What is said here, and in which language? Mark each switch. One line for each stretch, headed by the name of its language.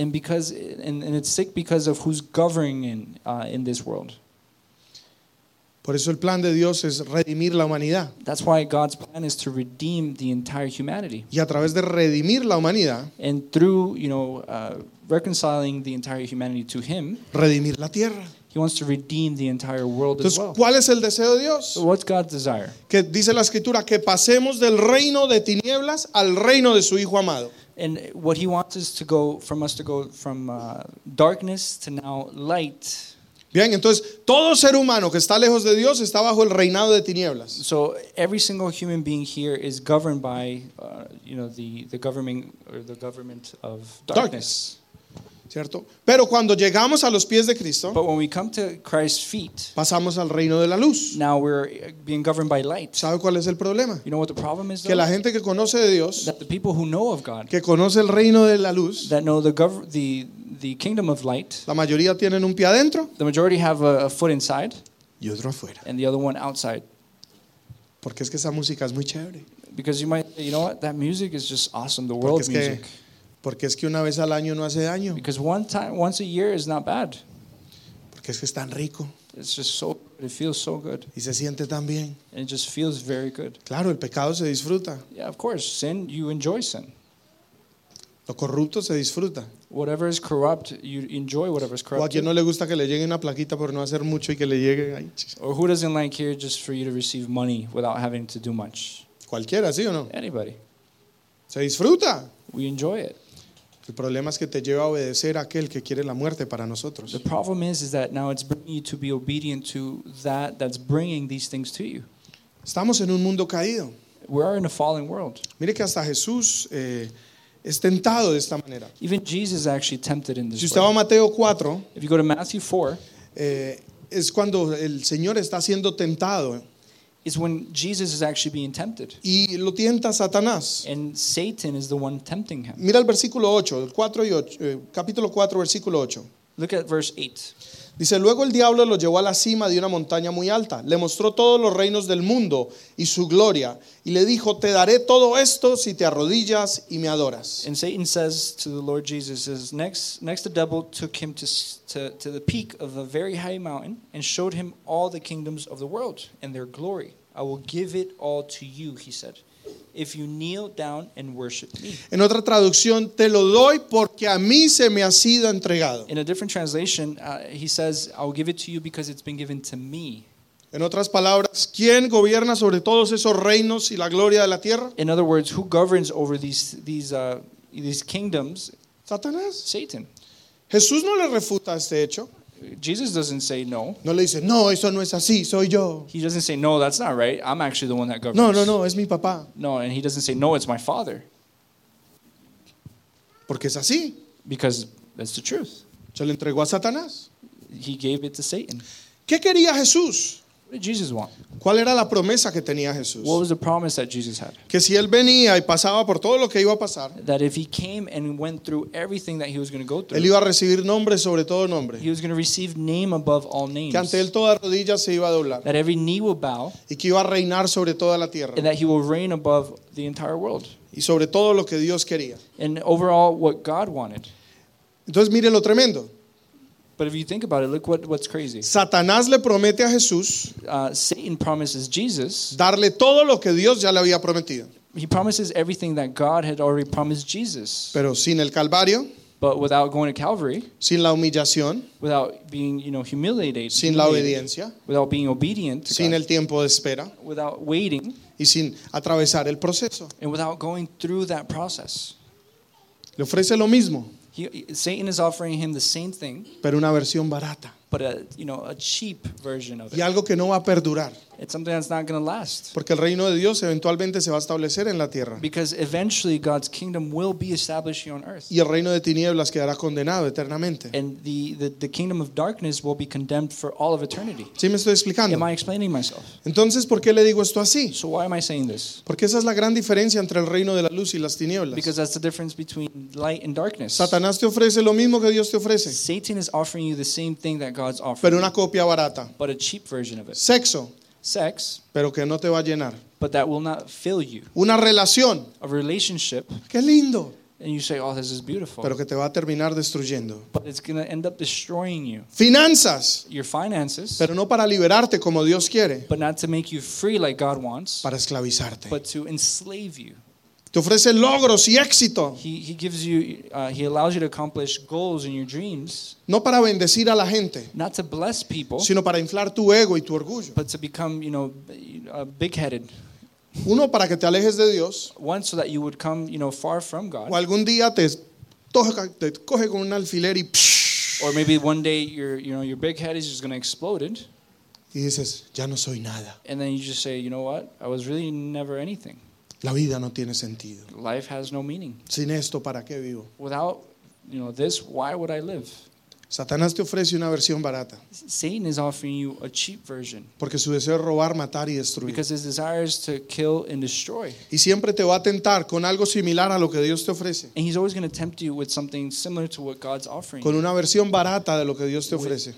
English: And because and it's sick because of who's governing in this world.
Spanish: Por eso el plan de Dios es redimir la humanidad.
English: That's why God's plan is to redeem the entire humanity.
Spanish: Y a través de redimir la humanidad,
English: and through, you know, reconciling the entire humanity to him,
Spanish: redimir la tierra.
English: He wants to redeem the entire world.
Spanish: Entonces,
English: as well.
Spanish: ¿Cuál es el deseo de Dios?
English: So what's God's desire?
Spanish: Que dice la escritura que pasemos del reino de tinieblas al reino de su hijo amado.
English: And what he wants is to go from us to go from darkness to now light.
Spanish: Bien, entonces todo ser humano que está lejos de Dios está bajo el reinado de tinieblas.
English: So every single human being here is governed by, you know, the governing or the government of darkness.
Spanish: ¿Cierto? Pero cuando llegamos a los pies de Cristo,
English: but when we come to Christ's feet,
Spanish: pasamos al reino de la luz.
English: Now we're being governed by light.
Spanish: ¿Sabe cuál es el problema?
English: You know what the problem is, though?
Spanish: Que la gente que conoce de Dios,
English: that the people who know of God,
Spanish: que conoce el reino de la luz,
English: that know the kingdom of light,
Spanish: la mayoría tienen un pie adentro,
English: the majority have a foot inside,
Spanish: y otro afuera,
English: and the other one outside.
Spanish: Porque es que esa música es muy chévere.
English: Because you might say, you know what, that music is just awesome, the world music.
Spanish: Porque es que una vez al año no hace daño.
English: Because one time, once a year is not bad.
Spanish: Porque es que es tan rico.
English: It's just so, it feels so good.
Spanish: Y se siente tan bien.
English: And it just feels very good.
Spanish: Claro, el pecado se disfruta.
English: Yeah, of course, sin, you enjoy sin.
Spanish: Lo corrupto se disfruta.
English: Whatever is corrupt, you enjoy whatever is corrupt.
Spanish: ¿O a quién no le gusta que le llegue una plaquita por no hacer mucho y que le llegue ahí?
English: Or who doesn't like here just for you to receive money without having to do much?
Spanish: Cualquiera, ¿sí o no?
English: Anybody.
Spanish: Se disfruta.
English: We enjoy it.
Spanish: El problema es que te lleva a obedecer a aquel que quiere la muerte para nosotros.
English: The problem is that now it's bringing you to be obedient to that's bringing these things to you.
Spanish: Estamos en un mundo caído.
English: We are in a fallen world.
Spanish: Mire que hasta Jesús es tentado de esta manera.
English: Even Jesus is actually tempted in this way.
Spanish: Si usted va a Mateo 4,
English: if you go to Matthew 4,
Spanish: es cuando el Señor está siendo tentado.
English: Is when Jesus is actually being tempted.
Spanish: Y lo tienta Satanás.
English: And Satan is the one tempting him.
Spanish: Mira el versículo 8, el 4 y 8, capítulo 4, versículo 8.
English: Look at verse 8.
Spanish: Dice, luego el diablo lo llevó a la cima de una montaña muy alta. Le mostró todos los reinos del mundo y su gloria. Y le dijo, te daré todo esto si te arrodillas y me adoras.
English: And Satan says to the Lord Jesus, next the devil took him to the peak of a very high mountain and showed him all the kingdoms of the world and their glory. I will give it all to you, he said, if you kneel down and worship me.
Spanish: En otra traducción, te lo doy porque a mí se me ha sido entregado.
English: In a different translation, he says, I'll give it to you because it's been given to me.
Spanish: En otras palabras, ¿quién gobierna sobre todos esos reinos y la gloria de la tierra?
English: In other words, who governs over these kingdoms?
Spanish: Satanás.
English: Satan.
Spanish: Jesús no le refuta este hecho.
English: Jesus doesn't say no.
Spanish: No le dice, no, eso no es así, soy yo.
English: He doesn't say, no, that's not right. I'm actually the one that governs.
Spanish: No, es mi papá.
English: No, and he doesn't say, no, it's my father.
Spanish: Porque es así.
English: Because that's the truth.
Spanish: Se lo entregó a Satanás.
English: He gave it to Satan.
Spanish: ¿Qué quería Jesús?
English: What did Jesus want?
Spanish: ¿Cuál era la promesa que tenía Jesús?
English: What was the promise that Jesus had?
Spanish: Que si él venía y pasaba por todo lo que iba a pasar.
English: That if he came and went through everything that he was going to go through.
Spanish: Él iba a recibir nombre sobre todo nombre.
English: He was going to receive name above all names.
Spanish: Que ante él toda rodilla se iba a doblar.
English: That every knee will bow.
Spanish: Y que iba a reinar sobre toda la tierra.
English: And that he will reign above the entire world.
Spanish: Y sobre todo lo que Dios quería.
English: And overall what God wanted.
Spanish: Entonces mire lo tremendo.
English: But if you think about it, look what's crazy.
Spanish: Satanás le promete a Jesús.
English: Satan promises Jesus.
Spanish: Darle todo lo que Dios ya le había prometido.
English: He promises everything that God had already promised Jesus.
Spanish: Pero sin el Calvario.
English: But without going to Calvary.
Spanish: Sin la humillación.
English: Without being, you know, humiliated.
Spanish: Sin la obediencia.
English: Without being obedient to
Spanish: sin
English: God.
Spanish: Sin el tiempo de espera.
English: Without waiting.
Spanish: Y sin atravesar el proceso.
English: And without going through that process.
Spanish: Le ofrece lo mismo.
English: Satan is offering him the same thing,
Spanish: pero una versión barata.
English: But a cheap version of it.
Spanish: Y algo que no va a perdurar.
English: It's something that's not going to last.
Spanish: Porque el reino de Dios eventualmente se va a establecer en la tierra.
English: Because eventually God's kingdom will be established here on earth.
Spanish: Y el reino de tinieblas quedará condenado eternamente.
English: And the kingdom of darkness will be condemned for all of eternity.
Spanish: ¿Sí me estoy explicando?
English: Am I explaining myself?
Spanish: Entonces, ¿por qué le digo esto así?
English: So why am I saying this?
Spanish: Porque esa es la gran diferencia entre el reino de la luz y las tinieblas.
English: Because that's the difference between light and darkness.
Spanish: Satanás te ofrece lo mismo que Dios te ofrece.
English: Satan is offering you the same thing that God's offering.
Spanish: Pero una copia barata.
English: But a cheap version of it.
Spanish: Sexo.
English: Sex,
Spanish: pero que no te va a llenar.
English: But that will not fill you.
Spanish: Una relación.
English: A relationship.
Spanish: Qué lindo.
English: And you say, oh, this is beautiful.
Spanish: Pero que te va a terminar destruyendo.
English: But it's going to end up destroying you.
Spanish: Finanzas.
English: Your finances.
Spanish: Pero no para liberarte como Dios quiere.
English: But not to make you free like God wants.
Spanish: Para esclavizarte.
English: But to enslave you.
Spanish: Te ofrece logros y éxito.
English: He gives you, he allows you to accomplish goals in your dreams.
Spanish: No para bendecir a la gente.
English: Not to bless people.
Spanish: Sino para inflar tu ego y tu orgullo.
English: But to become, big-headed.
Spanish: Uno para que te alejes de Dios.
English: One so that you would come, far from God.
Spanish: O algún día te coge con un alfiler y.
English: Or maybe one day your big head is just going to explode it.
Spanish: Y dices, ya no soy nada.
English: And then you just say, you know what? I was really never anything.
Spanish: La vida no tiene sentido.
English: Life has no meaning.
Spanish: Sin esto, ¿para qué vivo?
English: Without, this, why would I live?
Spanish: Satanás te ofrece una versión barata.
English: Satan is offering you a cheap version.
Spanish: Porque su deseo es robar, matar y destruir.
English: Because his desire is to kill and destroy.
Spanish: Y siempre te va a tentar con algo similar a lo que Dios te ofrece.
English: And he's always going to tempt you with something similar to what God's offering.
Spanish: Con una versión barata de lo que Dios te ofrece.